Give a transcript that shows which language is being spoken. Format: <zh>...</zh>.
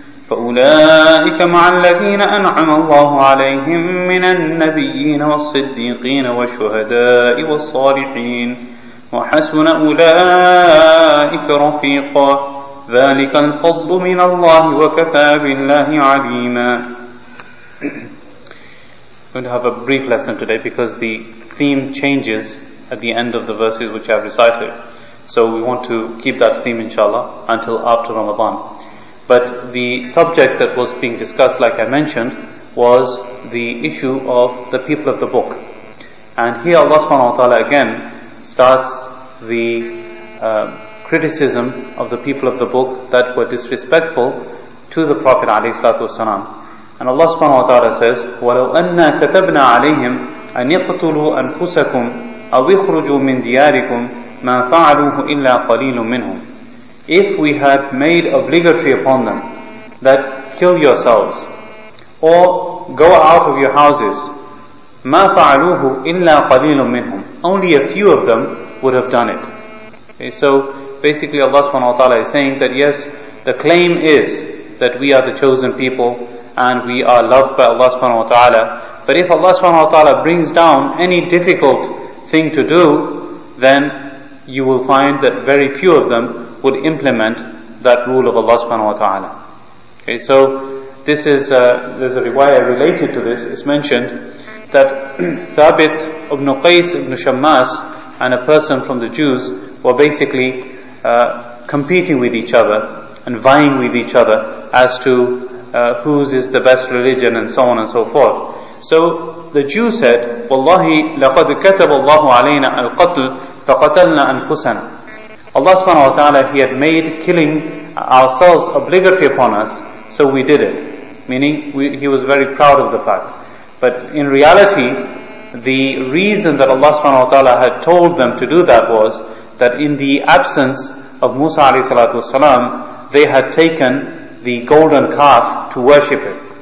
<ar>فأولئك مع الذين أنعم الله عليهم من النبيين والصديقين والشهداء والصالحين وحسن أولئك رفيقا ذلك الفضل من الله وكفى بالله عليما.</ar> <en>Going to have a brief lesson today because the theme changes at the end of the verses which I've recited. So we want to keep that theme, inshallah, until after Ramadan. But the subject that was being discussed, like I mentioned, was the issue of the people of the book. And here Allah subhanahu wa ta'ala again starts the criticism of the people of the book that were disrespectful to the Prophet alayhi salatu wasalam. And Allah subhanahu wa ta'ala says,</en> <ar>وَلَوْ أَنَّا كَتَبْنَا عَلَيْهِمْ أَنْ يَقْتُلُوا أَنْفُسَكُمْ أَوْ يَخْرُجُوا مِنْ دِيَارِكُمْ مَا فَعَلُوهُ إِلَّا قَلِيلٌ مِّنْهُمْ.</ar> <en>If we had made obligatory upon them that kill yourselves or go out of your houses,</en> <ar>مَا فَعَلُوهُ إِلَّا قَلِيلٌ مِّنْهُمْ,</ar> <en>only a few of them would have done it. Okay, so basically Allah subhanahu wa ta'ala is saying that yes, the claim is that we are the chosen people and we are loved by Allah subhanahu wa ta'ala. But if Allah subhanahu wa ta'ala brings down any difficult thing to do, then you will find that very few of them would implement that rule of Allah subhanahu wa ta'ala. Okay, so this is, there's a riwayah related to this. It's mentioned that Thabit ibn Qais ibn Shammas and a person from the Jews were basically competing with each other and vying with each other as to whose is the best religion and so on and so forth. So the Jew said,</en> <ar>وَاللَّهِ لَقَدْ كَتَبَ اللَّهُ عَلَيْنَا الْقَتْلِ فَقَتَلْنَا أَنفُسَنَا.</ar> <en>Allah subhanahu wa ta'ala, He had made killing ourselves obligatory upon us, so we did it. meaning he was very proud of the fact. But in reality, the reason that Allah subhanahu wa ta'ala had told them to do that was that in the absence of Musa alayhi salatu wasalam, they had taken the golden calf to worship it.</en>